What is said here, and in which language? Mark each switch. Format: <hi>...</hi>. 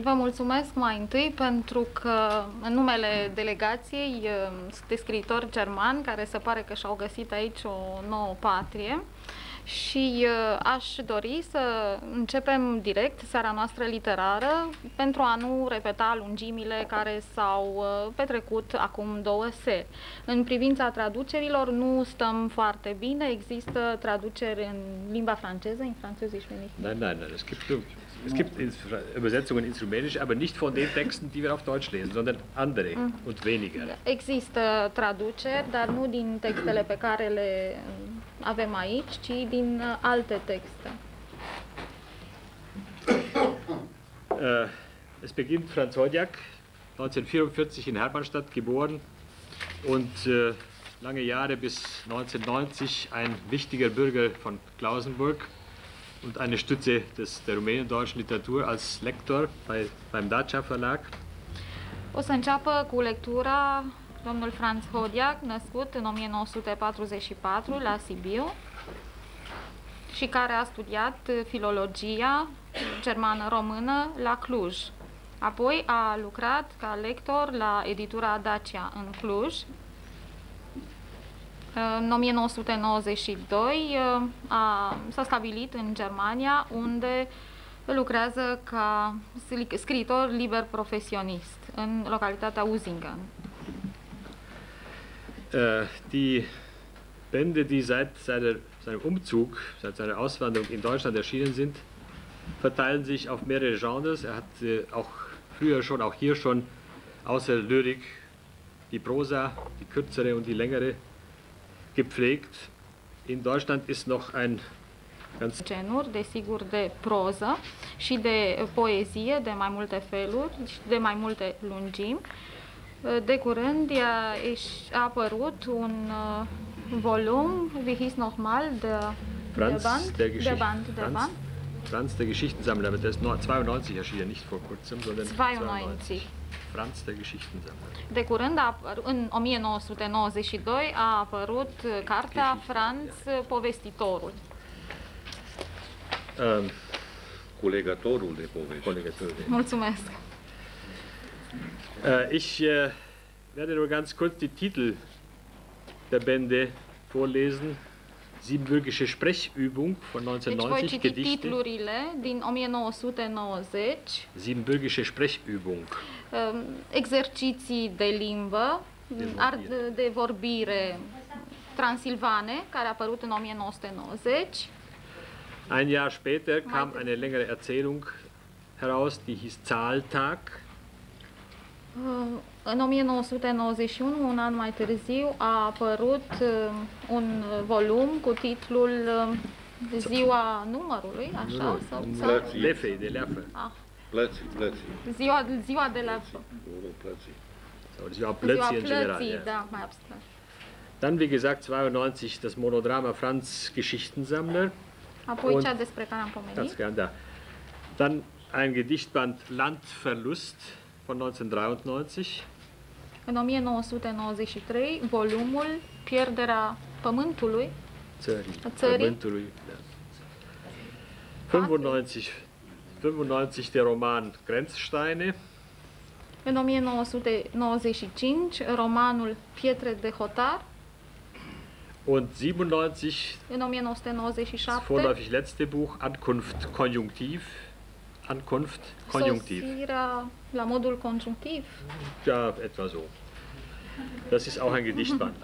<ro>Vă mulțumesc mai întâi pentru că în numele delegației sunt scriitori germani care se pare că și-au găsit aici o nouă patrie și aș dori să începem direct seara noastră literară pentru a nu repeta lungimile care s-au petrecut acum două seri. În privința traducerilor nu stăm foarte bine. Există traduceri în limba franceză, în franceză nu există.</ro> <de>Nein, es gibt Übersetzungen ins Rumänische, aber nicht von den Texten, die wir auf Deutsch lesen, sondern andere und weniger.</de> <ro>Există traduceri, dar nu din textele pe care le avem aici, ci din alte texte.</ro> <de>Es beginnt Franz Hodiak, 1944 in Hermannstadt geboren und lange Jahre bis 1990 ein wichtiger Bürger von Klausenburg und eine Stütze der rumänisch-deutschen Literatur als Lektor beim Dacia Verlag.</de> <ro>O să înceapă cu lectura domnul Franz Hodiak, născut în 1944 la Sibiu și care a studiat filologia germană-română la Cluj. Apoi a lucrat ca lector la editura Dacia în Cluj. În 1992 s-a stabilit în Germania, unde lucrează ca scriitor liber profesionist în localitatea Usingen.</ro> <de>Die Bände, die seit seinem Umzug, seit seiner Auswanderung in Deutschland erschienen sind, verteilen sich auf mehrere Genres. Er hat auch früher schon, auch hier schon, außer Lyrik, die Prosa, die kürzere und die längere, gepflegt. In Deutschland ist noch ein ganz</de> <ro>Genur, desigur, de proză și de poezie, de mai multe feluri și de mai multe lungimi. De curând a apărut un volum,</ro> <de>wie hieß nochmal, der Band. Franz, der Geschichtensammler, aber der ist 92 erschienen, nicht vor kurzem, sondern 92. Franz, der Geschichtensammler.</de> <ro>De curând, în 1992, a apărut cartea Franz, povestitorul. Colegatorul de povești. Mulțumesc.</ro> <de>Ich werde nur ganz kurz die Titel der Bände vorlesen. Siebenbürgische Sprechübung von 1990,</de> <ro>deci</ro> <de>Gedichte.</de> <ro>Titlurile din 1990.</ro> <de>Siebenbürgische Sprechübung.</de> <ro>Exerciții de limbă, de vorbire transilvane, care a apărut în 1990.</ro> <de>Ein Jahr später kam eine längere Erzählung heraus, die hieß Zahltag.</de> <ro>În 1991, un an mai târziu, a apărut un volum cu titlul Ziua numărului, așa? Plății. Lefei, de leafă. Plății. Ziua de leafă. Ziua plății, în general. Ziua plății, da, mai abstract.</ro> <de>Dann, wie gesagt, 92, das Monodrama Franz Geschichtensammler.</de> <ro>Apoi cea despre care am pomenit. Da.</ro> <de>Dann ein Gedichtband Landverlust von 1993.</de> <ro>În 1993, volumul Pierderea Pământului. Țării. Pământului.</ro> <de>Da. 95, der Roman Grenzsteine.</de> <ro>În 1995, romanul Pietre de Hotar.</ro> <de>Und 97,</de> <ro>in 1997,</ro> <de>vorläufig letzte Buch, Ankunft Konjunktiv. Ankunft Konjunktiv.</de> <ro>Sosirea la modul conjunctiv.</ro> <de>Ja, etwa so. Das ist auch ein Gedichtband.</de>